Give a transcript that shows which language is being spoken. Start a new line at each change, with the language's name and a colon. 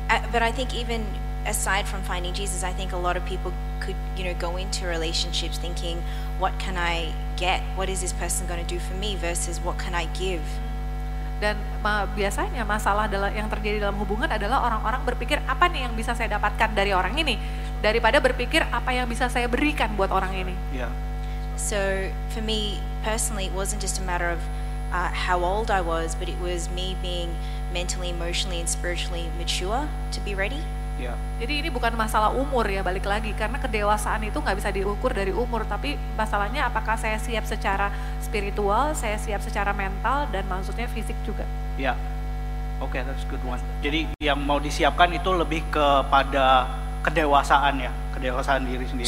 English: But I think even aside from finding Jesus, I think a lot of people could, you know, go into relationships thinking, what can I get? What is this person going to do for me? Versus what can I give?
Indonesian: Dan biasanya masalah yang terjadi dalam hubungan adalah orang-orang berpikir apa nih yang bisa saya dapatkan dari orang ini, daripada berpikir apa yang bisa saya berikan buat orang ini.
English: So for me personally, it wasn't just a matter of how old I was, but it was me being mentally, emotionally, and spiritually mature to be ready.
Indonesian: Jadi ini bukan masalah umur ya, balik lagi, karena kedewasaan itu nggak bisa diukur dari umur, tapi masalahnya apakah saya siap secara spiritual, saya siap secara mental, dan maksudnya fisik juga.
English: Okay, that's a good one.
Indonesian: Jadi yang mau disiapkan itu lebih kepada kedewasaan ya, kedewasaan diri sendiri.